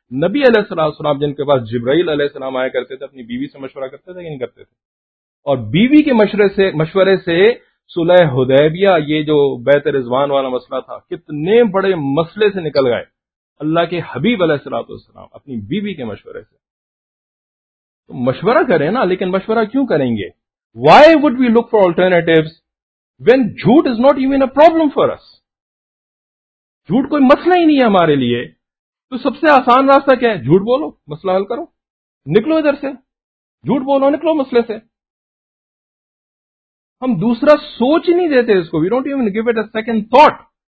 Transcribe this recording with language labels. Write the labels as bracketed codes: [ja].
[ur] نبی علیہ السلام جن کے پاس جبرائیل علیہ السلام آیا کرتے تھے، اپنی بیوی سے مشورہ کرتے تھے یا نہیں کرتے تھے؟ اور بیوی کے مشورے سے صلح حدیبیہ، یہ جو بیت رضوان والا مسئلہ تھا، کتنے بڑے مسئلے سے نکل گئے اللہ کے حبیب علیہ السلام اپنی بیوی کے مشورے سے. تو مشورہ کریں نا، لیکن مشورہ کیوں کریں گے؟ [en] Why would we look for alternatives when jhoot is not even a problem for us? [ur] Jhoot کوئی مسئلہ ہی نہیں ہے ہمارے لیے. تو سب سے آسان راستہ کیا ہے؟ جھوٹ بولو، مسئلہ حل کرو، نکلو ادھر سے، جھوٹ بولو، نکلو مسئلے سے. ہم دوسرا سوچ ہی نہیں دیتے اس کو، [en] We don't even give it a second thought.